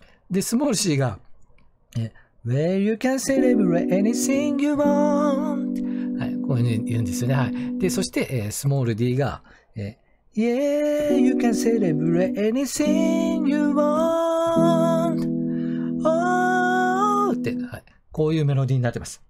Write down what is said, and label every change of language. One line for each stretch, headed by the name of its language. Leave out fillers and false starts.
Japanese: で、スモール C が、
English: Where you can celebrate anything you want
Japanese: こういうふうに言うんですよね。はい、で、そして、スモール D が、
English: Yeah, you can celebrate anything you want.
Japanese: Oh, って、はい、こういうメロディーになってます。